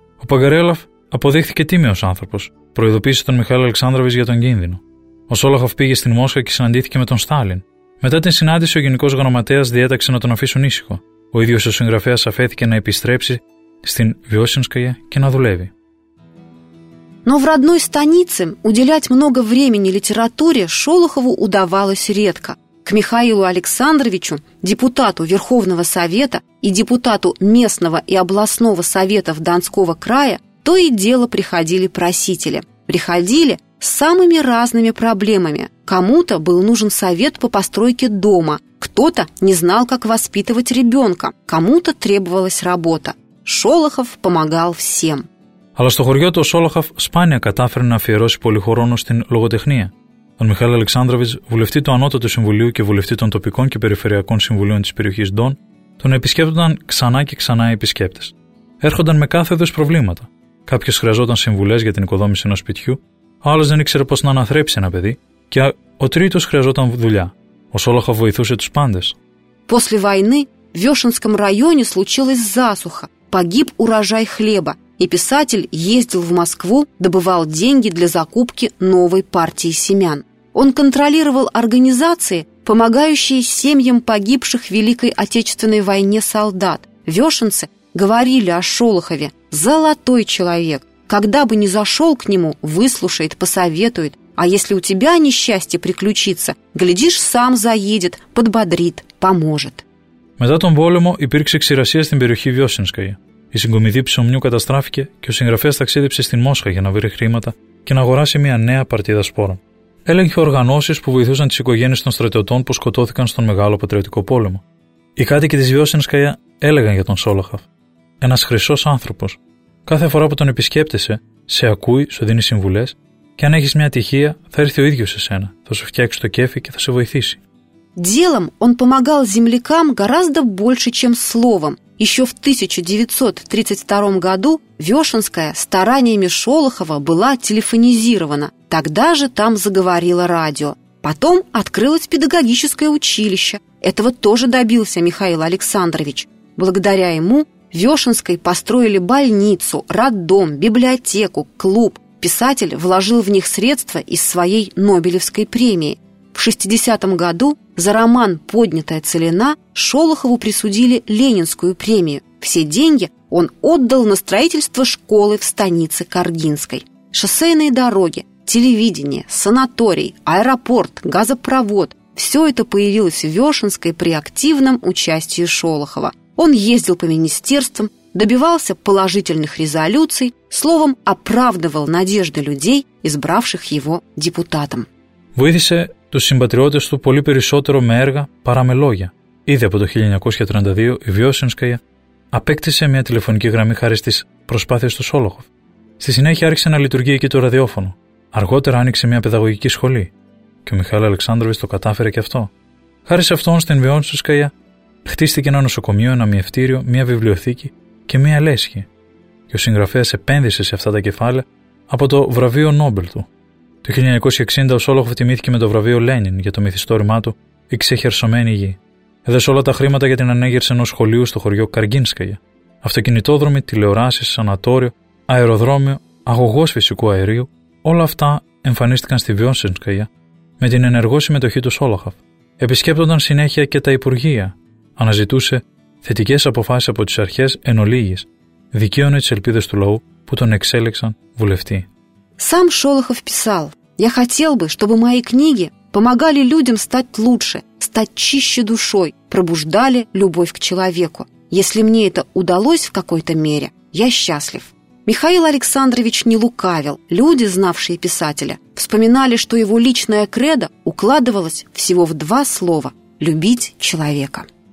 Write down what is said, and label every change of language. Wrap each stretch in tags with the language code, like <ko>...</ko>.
<el>Ο Παγκαρέλαφ αποδείχθηκε τίμιος άνθρωπος, προειδοποίησε τον Μιχάλη Αλεξάνδροβιτς για τον κίνδυνο. Ο Σόλοχοφ πήγε στην Μόσχα και συναντήθηκε με τον Στάλιν. Μετά την συνάντηση, ο Γενικός Γραμματέας διέταξε να τον αφήσουν ήσυχο. Ο ίδιος ο συγγραφέας αφέθηκε να επιστρέψει στην Βιόσινσκαγια και να δουλεύει.</el> <ru>Но в родной станице уделять много времени литературе Шолохову удавалось редко. К Михаилу Александровичу, депутату Верховного Совета и депутату местного и областного совета Донского края, то и дело приходили просители. Приходили с самыми разными проблемами. Кому-то был нужен совет по постройке дома, кто-то не знал, как воспитывать ребенка, кому-то требовалась работа. Шолохов помогал всем.</ru> <el>Αλλά στο χωριό του ο Σόλοχαβ σπάνια κατάφερε να αφιερώσει πολύ χρόνο στην λογοτεχνία. Τον Μιχάλη Αλεξάνδροβιτς, βουλευτή του Ανώτατου Συμβουλίου και βουλευτή των τοπικών και περιφερειακών συμβουλίων της περιοχής Ντόν, τον επισκέπτονταν ξανά και ξανά οι επισκέπτες. Έρχονταν με κάθε είδους προβλήματα. Κάποιος χρειαζόταν συμβουλές για την οικοδόμηση ενός σπιτιού, ο άλλος δεν ήξερε πώς να αναθρέψει ένα παιδί, και ο τρίτος χρειαζόταν δουλειά. Ο Σόλοχαβ βοηθούσε τους πάντες.</el> <ru>После войны в Вешенском районе случилась засуха, погиб урожай хлеба. И писатель ездил в Москву, добывал деньги для закупки новой партии семян. Он контролировал организации, помогающие семьям погибших в Великой Отечественной войне солдат. Вешенцы говорили о Шолохове: «Золотой человек! Когда бы ни зашел к нему, выслушает, посоветует. А если у тебя несчастье приключится, глядишь, сам заедет, подбодрит, поможет».</ru> <el>Μετά τον πόλεμο υπήρξε ξηρασία στην περιοχή Вешенской. Η συγκομιδή ψωμιού καταστράφηκε και ο συγγραφέας ταξίδεψε στην Μόσχα για να βρει χρήματα και να αγοράσει μια νέα παρτίδα σπόρων. Έλεγχε οργανώσεις που βοηθούσαν τις οικογένειες των στρατιωτών που σκοτώθηκαν στον Μεγάλο Πατριωτικό Πόλεμο. Οι κάτοικοι της Βιόσενσκαια έλεγαν για τον Σόλοχαβ: «Ένας χρυσός άνθρωπος. Κάθε φορά που τον επισκέπτεσαι, σε ακούει, σου δίνει συμβουλές και αν έχεις μια τυχεία, θα έρθει ο ίδιος σε σένα, θα σου φτιάξει το κέφι και θα σε βοηθήσει».</el> <ru>Делом он помогал землякам гораздо больше, чем словом. Еще в 1932 году Вешенская стараниями Шолохова была телефонизирована. Тогда же там заговорило радио. Потом открылось педагогическое училище. Этого тоже добился Михаил Александрович. Благодаря ему Вешенской построили больницу, роддом, библиотеку, клуб. Писатель вложил в них средства из своей Нобелевской премии. В 1960 году за роман «Поднятая целина» Шолохову присудили Ленинскую премию. Все деньги он отдал на строительство школы в станице Каргинской. Шоссейные дороги, телевидение, санаторий, аэропорт, газопровод – все это появилось в Вешенской при активном участии Шолохова. Он ездил по министерствам, добивался положительных резолюций, словом, оправдывал надежды людей, избравших его депутатом.</ru> <el>Вывесе τους συμπατριώτες του πολύ περισσότερο με έργα παρά με λόγια. Ήδη από το 1932 η Βιόσενσκαια απέκτησε μια τηλεφωνική γραμμή χάρη στις προσπάθειες του Σόλοχοφ. Στη συνέχεια άρχισε να λειτουργεί εκεί το ραδιόφωνο. Αργότερα άνοιξε μια παιδαγωγική σχολή. Και ο Μιχάλη Αλεξάνδροβιτς το κατάφερε και αυτό. Χάρη σε αυτόν στην Βιόσενσκαια χτίστηκε ένα νοσοκομείο, ένα μυευτήριο, μια βιβλιοθήκη και μια λέσχη. Και ο συγγραφέας επένδυσε σε αυτά τα κεφάλαια από το βραβείο Νόμπελ του. Το 1960 ο Σόλοχοβ τιμήθηκε με το βραβείο Λένιν για το μυθιστόρημά του «Η ξεχερσωμένη γη». Έδωσε όλα τα χρήματα για την ανέγερση ενός σχολείου στο χωριό Καργίνσκαγια. Αυτοκινητόδρομοι, τηλεοράσεις, σανατόριο, αεροδρόμιο, αγωγός φυσικού αερίου, όλα αυτά εμφανίστηκαν στη Βιόσενσκαγια με την ενεργό συμμετοχή του Σόλοχοβ. Επισκέπτονταν συνέχεια και τα υπουργεία. Αναζητούσε θετικές αποφάσεις από τις αρχές εν ολίγης. Δικαίωνε τις ελπίδες του λαού που τον εξέλεξαν βουλευτή.</el> <ru>Сам Шолохов писал: «Я хотел бы, чтобы мои книги помогали людям стать лучше, стать чище душой, пробуждали любовь к человеку. Если мне это удалось в какой-то мере, я счастлив». Михаил Александрович не лукавил. Люди, знавшие писателя, вспоминали, что его личное кредо укладывалось всего в два слова – «любить человека».</ru>